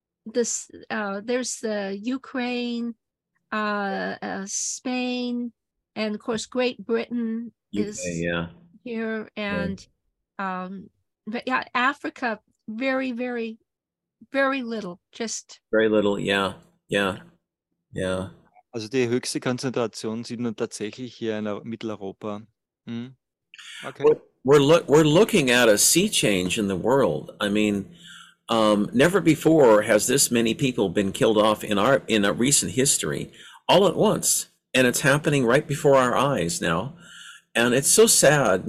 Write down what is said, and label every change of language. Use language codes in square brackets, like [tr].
[en] There's the Ukraine, Spain, and of course, Great Britain here. And right. But yeah, Africa, very, very, very little, just very little. Yeah. [de] Also, die höchste Konzentration sieht man tatsächlich hier in Mitteleuropa. [en] Hm? Okay. We're looking at a sea change in the world. I mean, never before has this many people been killed off in a recent history all at once. And it's happening right before our eyes now. And it's so sad.